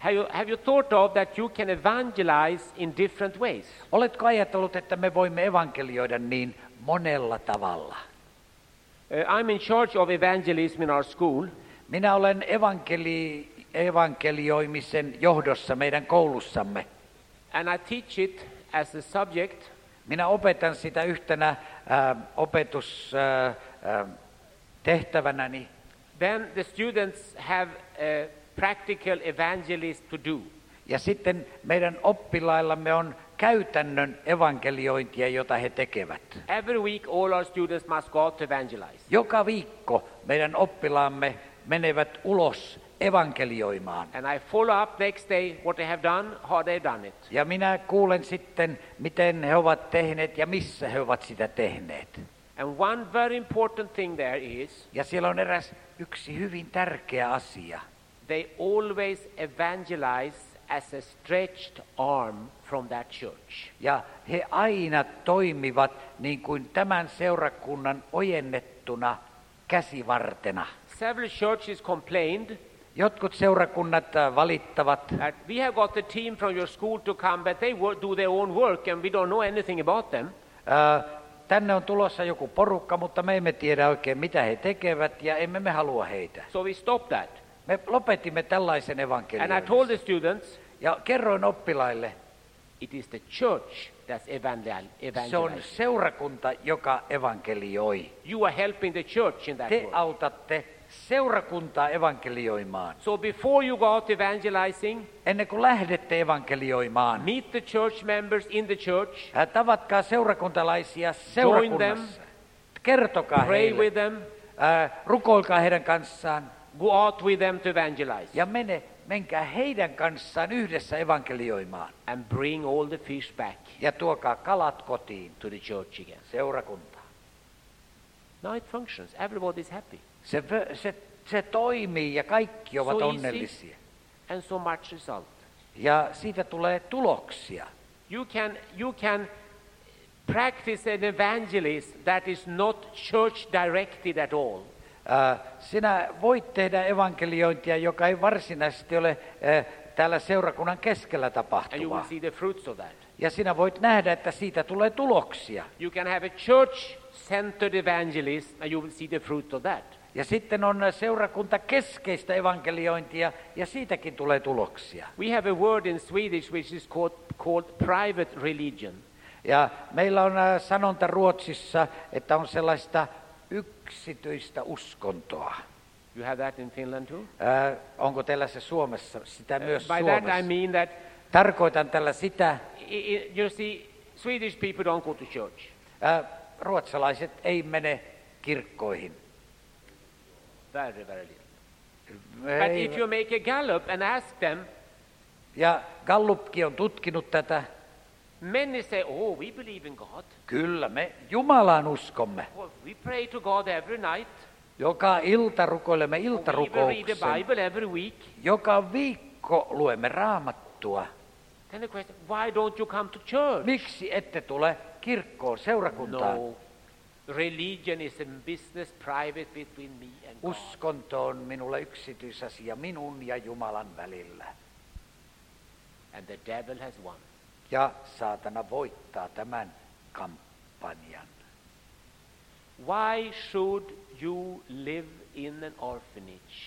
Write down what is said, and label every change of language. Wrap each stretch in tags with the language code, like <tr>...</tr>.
<en>Have you thought of that you can evangelize in different ways?</en> <fi>Oletko ajatellut, että me voimme evankelioida niin monella tavalla?</fi> <en>I'm in charge of evangelism in our school.</en> <fi>Minä olen evankelioimisen johdossa meidän koulussamme.</fi> <en>And I teach it as a subject.</en> <fi>Minä opetan sitä yhtenä opetustehtävänäni.</fi> <en>Then the students have a practical evangelist to do.</en> <fi>Ja sitten meidän oppilaillamme on käytännön evankeliointia, jota he tekevät.</fi> <en>Every week all our students must go out to evangelize.</en> <fi>Joka viikko meidän oppilaamme menevät ulos evankelioimaan.</fi> <en>And I follow up next day what they have done, how they have done it.</en> <fi>Ja minä kuulen sitten, miten he ovat tehneet ja missä he ovat sitä tehneet.</fi> <en>And one very important thing there is.</en> <fi>Ja siellä on eräs yksi hyvin tärkeä asia.</fi> <en>They always evangelize as a stretched arm from that church.</en> <fi>Ja he aina toimivat niin kuin tämän seurakunnan ojennettuna käsivartena.</fi> <en>Several churches complained.</en> <fi>Jotkut seurakunnat valittavat.</fi> <en>We have got a team from your school to come, but they do their own work and we don't know anything about them.</en> <fi>Tänne on tulossa joku porukka, mutta me emme tiedä oikein mitä he tekevät ja emme me halua heitä.</fi> <en>So we stopped that.</en> <fi>Me lopetimme tällaisen evankelioinnin.</fi> <en>And I told the students,</en> <fi>ja kerroin oppilaille,</fi> <en>it is the church that's evangelizing.</en> <fi>Se on seurakunta, joka evankelioi.</fi> <en>You are helping the church in that.</en> <fi>Te autatte seurakuntaa evankelioimaan.</fi> <en>So before you go out evangelizing,</en> <fi>ennen kuin lähdette evankelioimaan,</fi> <en>meet the church members in the church.</en> <fi>Tavatkaa seurakuntalaisia seurakunnassa. Kertokaa</fi> <en>pray</en> <fi>heille.</fi> <en>With them.</en> <fi>Rukoilkaa heidän kanssaan.</fi> <en>Go out with them to evangelize.</en> <fi>Ja menkää heidän kanssaan yhdessä evankelioimaan.</fi> <en>And bring all the fish back.</en> <fi>Ja tuokaa kalat kotiin.</fi> <en>To the church again.</en> <fi>Seurakuntaa.</fi> <en>Now it functions. Everybody is happy.</en> <fi>Se toimii ja kaikki ovat</fi> <en>so</en> <fi>onnellisia.</fi> <en>And so much result.</en> <fi>Ja siitä tulee tuloksia.</fi> <en>You can practice an evangelist that is not church directed at all.</en> <fi>Sinä voit tehdä evankeliointia, joka ei varsinaisesti ole täällä seurakunnan keskellä tapahtuvaa.</fi> <en>And you will see the fruits of that.</en> <fi>Ja sinä voit nähdä, että siitä tulee tuloksia.</fi> <en>You can have a church-centered evangelist, and you will see the fruit of that.</en> <fi>Ja sitten on seurakunta keskeistä evankeliointia, ja siitäkin tulee tuloksia.</fi> <en>We have a word in Swedish which is called private religion.</en> <fi>Ja meillä on sanonta Ruotsissa, että on sellaista yksityistä uskontoa.</fi> <en>You have that in Finland too?</en> <fi>Onko teillä se Suomessa? Sitä myös</fi> <en>by</en> <fi>Suomessa.</fi> <en>That I mean that</en> <fi>tarkoitan tällä sitä.</fi> <en>You see, Swedish people don't go to church.</en> <fi>Ruotsalaiset ei mene kirkkoihin.</fi> <en>Very little. But if you make a gallup and ask them.</en> <fi>Ja Gallupkin on tutkinut tätä.</fi> <en>Many say, oh, we believe in God.</en> <fi>Kyllä, me Jumalaan uskomme.</fi> <en>We pray to God every night.</en> <fi>Joka ilta rukoilemme iltarukouksen.</fi> <en>We read the Bible every week.</en> <fi>Joka viikko luemme Raamattua.</fi> <en>Then the question, why don't you come to church?</en> <fi>Miksi ette tule kirkkoon, seurakuntaan?</fi> <en>No, religion is a business private between me and God.</en> <fi>Uskonto on minulle yksityisasia minun ja Jumalan välillä.</fi> <en>And the devil has won.</en> <fi>Ja saatana voittaa tämän kampanjan.</fi> <en>Why should you live in an orphanage?</en>